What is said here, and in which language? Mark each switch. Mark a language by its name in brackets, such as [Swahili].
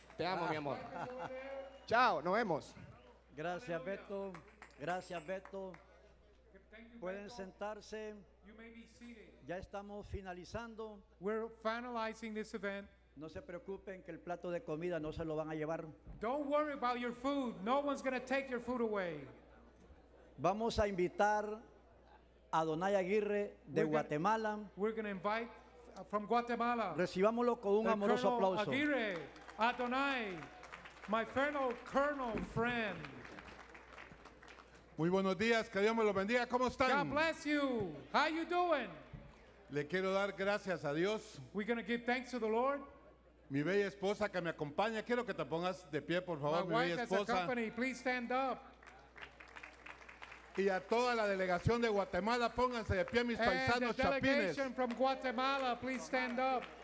[Spanish] Te amo, mi amor. Chao, nos vemos. Gracias, Beto. Gracias, Beto. Pueden sentarse. Ya estamos finalizando. [English] We're finalizing this event. [Spanish] No se preocupen que el plato de comida no se lo van a llevar. [English] Don't worry about your food. No one's going to take your food away. [Spanish] Vamos a invitar a Donay Aguirre de Guatemala. [English] We're going to invite from Guatemala. [Spanish] Recibámoslo con un amoroso aplauso. [English] Aguirre, Adonai, my fellow colonel friend. [Spanish] Muy buenos días. Que Dios me lo bendiga. ¿Cómo están? [English] God bless you. How you doing? [Spanish] Le quiero dar gracias a Dios. [English] We're going to give thanks to the Lord. [Spanish] Mi bella esposa que me acompaña, quiero que te pongas de pie, por favor, [English] my [Spanish] mi bella esposa. [English] My wife has accompanied, please stand up. [Spanish] Y a toda la delegación de Guatemala, pónganse de pie, mis [English] and [Spanish] paisanos chapines. [English] And the delegation from Guatemala, please stand up.